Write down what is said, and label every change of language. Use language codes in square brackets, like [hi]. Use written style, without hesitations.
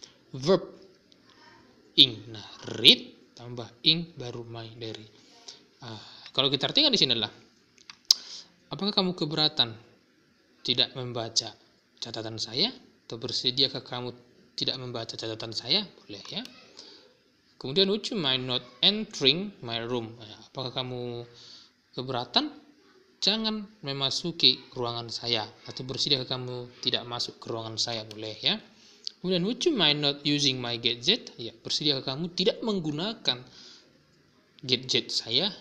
[id] Verb ing. Nah, read tambah ing baru my diary. Kalau kita artikan di sini adalah, apakah kamu keberatan tidak membaca catatan saya? Atau bersediakah kamu tidak membaca catatan saya? Boleh, ya. [en] Kemudian, would you mind not entering my room? [id] Nah, apakah kamu keberatan? Jangan memasuki ruangan saya, atau bersediakah kamu tidak masuk ke ruangan saya, boleh, ya. [en] Kemudian, would you mind not using my gadget? [id] Ya, bersediakah kamu tidak menggunakan gadget saya?